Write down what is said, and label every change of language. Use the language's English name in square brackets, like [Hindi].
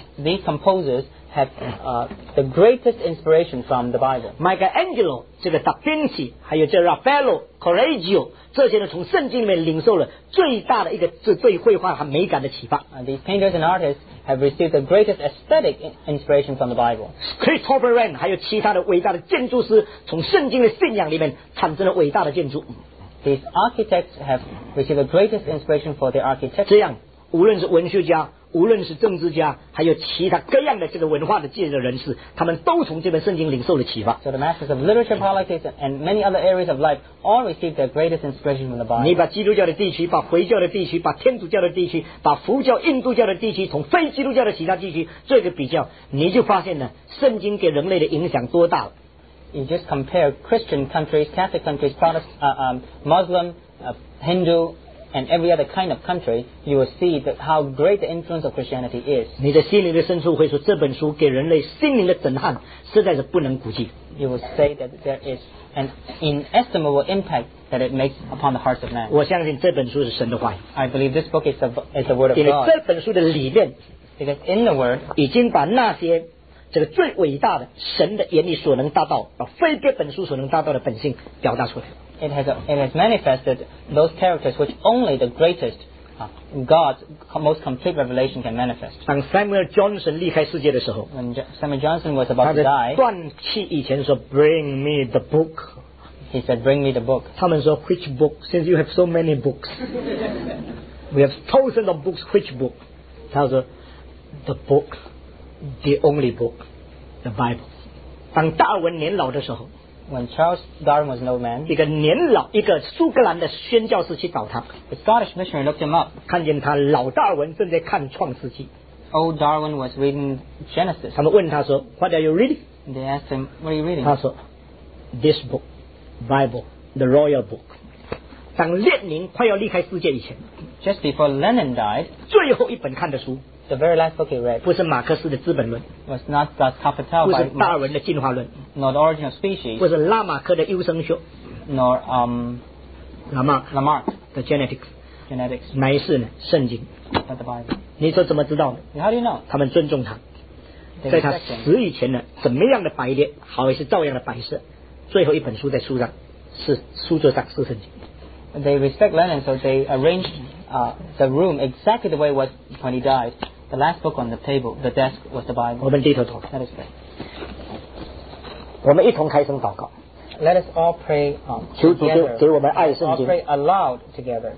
[English] These composers have the greatest inspiration from the Bible. [Chinese] Michelangelo, 这个 Da Vinci, 还有这 Raffaello, Correggio, 这些呢从圣经里面领受了最大的一个是对绘画和美感的启发。 [English] These painters and artists. Have received the greatest aesthetic inspiration from the Bible. [Chinese] Christopher Wren, 还有其他的伟大的建筑师，从圣经的信仰里面产生了伟大的建筑。 [English] These architects have received the greatest inspiration for their architecture. [Chinese] 这样，无论是文学家、无论是政治家还有其他各样的这个文化的界的人士，他们都从这本圣经领受了启发。 [English] So the masters of literature, politics and many other areas of life all received their greatest inspiration from the Bible. [Chinese] 你把基督教的地区，把回教的地区，把天主教的地区，把佛教、印度教的地区，从非基督教的其他地区做一个比较，你就发现了圣经给人类的影响多大了。 [English] You just compare Christian countries, Catholic countries, Protestant, Muslim, Hindu, and every other kind of country, you will see that how great the influence of Christianity is. [Chinese] 你的心灵的深处会说，这本书给人类心灵的震撼，实在是不能估计。 [English] You will say that there is an inestimable impact that it makes upon the hearts of man. [Chinese] 我相信这本书是神的话语。 [English] I believe this book is the word of God. [Chinese] 因为这本书的里面 [English] ，because in the word [Chinese] 已经把那些这个最伟大的神的眼里所能达到，非这本书所能达到的本性表达出来。 [English] It has manifested those characters which only the greatest God's most complete revelation can manifest. [Chinese] 当 Samuel Johnson 离开世界的时候 [English] ，When Samuel Johnson was about to die， [Chinese] 他在断气以前说 ， [English] Bring me the book。 He said, "Bring me the book." [Chinese] 他们说 [English] ，Which book? Since you have so many books, we have thousands of books. Which book? [Chinese] 他说 [English] ，The book. The only book, the Bible. [Chinese] 当达尔文年老的时候 [English] ，When Charles Darwin was an old man, [Chinese] 一个年老一个苏格兰的宣教士去找他 [English] ，The Scottish missionary looked him up, [Chinese] 看见他老达尔文正在看创世纪 [English] ，Old Darwin was reading Genesis. [Chinese] 他们问他说 ， [English] What are you reading? They asked him, What are you reading? [Chinese] 他说 [English] ，This book, Bible, the royal book. [Chinese] 当列宁快要离开世界以前 [English] ，Just before Lenin died, [Chinese] 最后一本看的书。 [English] The very last book he read [Chinese] 不是马克思的资本论 [English] was not the Capital [Chinese] 不是达尔文的进化论 [English] nor the Origin of Species [Chinese] 不是拉马克的优生学 [English] nor [Chinese] Lamarck [English] the Genetics [Chinese] 乃是呢圣经 [English] but the Bible [Chinese] 你说怎么知道呢 [English] how do you know [Chinese] 他们尊重他在他死以前呢怎么样的摆列好也是照样的摆设最后一本书在书上是书桌上是圣经 [English] they respect Lenin so they arrangedthe room exactly the way it was when he died. The last book on the table, the desk, was the Bible. [Chinese] 我们低头祷告。 [English] Let us pray. [Chinese] 我们一同开声祷告。 [English] Let us all pray together. [Chinese] 求主给我们爱圣经。 [English] Let us all pray aloud together.